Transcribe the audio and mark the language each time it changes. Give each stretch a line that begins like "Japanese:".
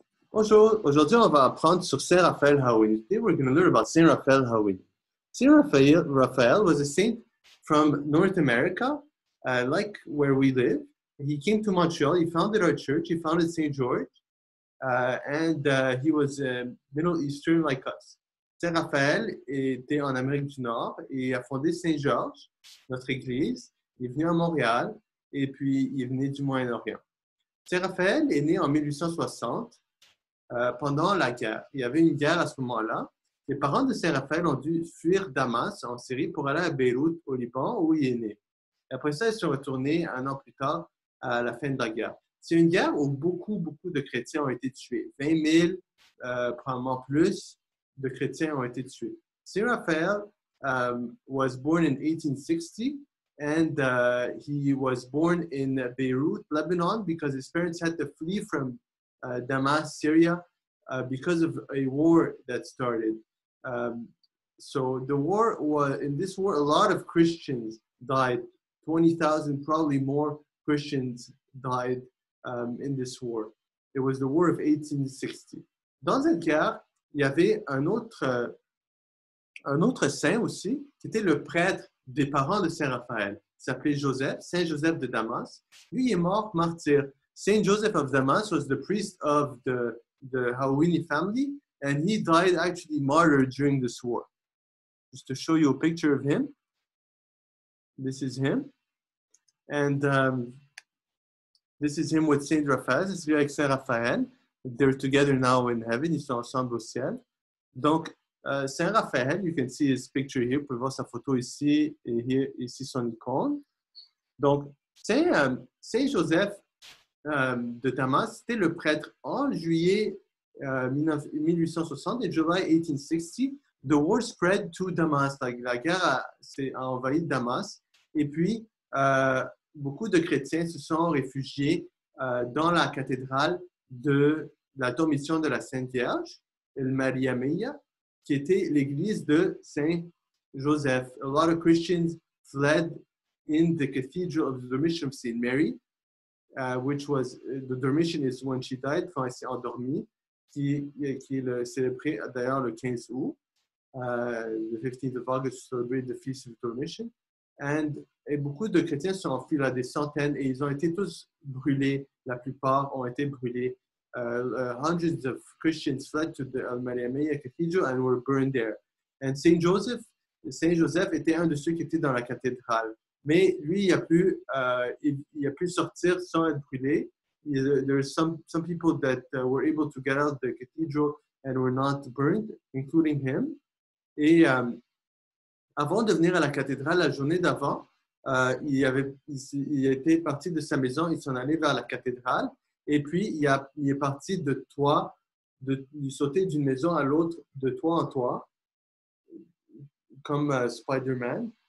French: Bonjour, aujourd'hui on va apprendre sur Saint Raphaël Haouini.
English: Today we're going to learn about Saint Raphaël Haouini. Saint Raphaël was a saint from North America, like where we live. He came to Montreal, he founded our church, he founded Saint George, and he was Middle Eastern like us.
French: Saint Raphaël était en Amérique du Nord et a fondé Saint George, notre église. Il est venu à Montréal et puis il est venu du Moyen-Orient. Saint Raphaël est né en 1860. Pendant la guerre. Il y avait une guerre à ce moment-là. Les parents de Saint Raphaël ont dû fuir Damas en Syrie pour aller à Beyrouth, au Liban, où il est né. Et après ça, ils sont retournés un an plus tard à la fin de la guerre. C'est une guerre où beaucoup, beaucoup de chrétiens ont été tués. 20 000, probablement plus, de chrétiens ont été tués.
English: Saint Raphaël was born in 1860 and he was born in Beirut, Lebanon, because his parents had to flee from Damas, Syria, because of a war that started. So the war was, in this war, a lot of Christians died. 20,000, probably more Christians died in this war. It was the war of 1860.
French: Dans cette guerre, il y avait un autre saint aussi, qui était le prêtre des parents de Saint Raphaël. Il s'appelait Joseph, Saint Joseph de Damas. Lui est mort martyr.
English: Saint Joseph of Damas was the priest of the Haouini family, and he died actually martyred during this war. Just to show you a picture of him, this is him, and this is him with Saint Raphaël. This is
French: lui avec
English: Saint Raphaël. They're together now in heaven.
French: Ils sont ensemble au ciel.
English: Donc Saint Raphaël, you can see his picture here.
French: Vous pouvez voir sa photo ici et here ici son icône. Donc Saint Joseph de Damas, c'était le prêtre. En juillet 1860 et
English: July 1860, the war spread to Damas.
French: La guerre a envahi Damas. Et puis, beaucoup de chrétiens se sont réfugiés dans la cathédrale de la Dormition de la Sainte Vierge, El Maria Meia, qui était l'église de Saint Joseph.
English: A lot of Christians fled in the Cathedral of the Dormition of Saint Mary. Which was the Dormition is when she died,
French: enfin, elle s'est endormie, qui est célébré d'ailleurs le 15 août,
English: the 15th of August, to celebrate the Feast of Dormition.
French: Et beaucoup de chrétiens sont enfuis là, des centaines, et ils ont été tous brûlés, la plupart ont été brûlés.
English: Hundreds of Christians fled to the El Maria Meia Cathedral and were burned there.
French: And Saint Joseph était un de ceux qui étaient dans la cathédrale. Mais lui, il a pu sortir sans être brûlé.
English: There are some people that were able to get out of the cathedral and were not burned, including him.
French: Et avant de venir à la cathédrale, la journée d'avant, il était parti de sa maison, il s'en allait vers la cathédrale. Et puis, il est parti de toit, il sautait d'une maison à l'autre, de toit en toit, comme Spider-Man.